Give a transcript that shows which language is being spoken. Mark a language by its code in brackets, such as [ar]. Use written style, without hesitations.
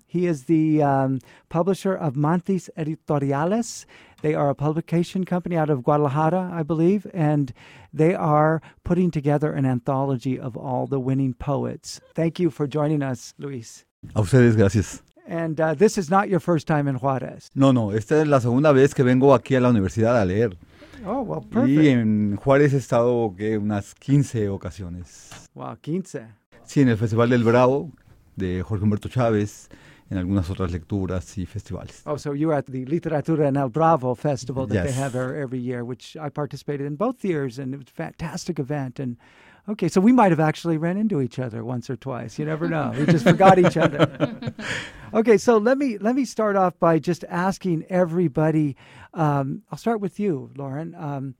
[en] He is the publisher of Mantis Editoriales. They are a publication company out of Guadalajara, I believe, and they are putting together an anthology of all the winning poets. Thank you for joining us, Luis. [es] A ustedes, gracias. [en] And this is not your first time in Juárez. [es] No, no. Esta es la segunda vez que vengo aquí a la universidad a leer. [en] Oh, well, perfect. [es] Y en Juárez he estado, ¿qué? Unas 15 ocasiones. [en] Wow, 15. [es] Sí, en el Festival del Bravo, de Jorge Humberto Chávez, en algunas otras lecturas y festivales. [en] Oh, so you're at the Literatura en el Bravo Festival that yes. They have every year, which I participated in both years, and it was a fantastic event. And okay, so we might have actually ran into each other once or twice. You never know. We just forgot each other. Okay, so let me start off by just asking everybody, I'll start with you, Lauren.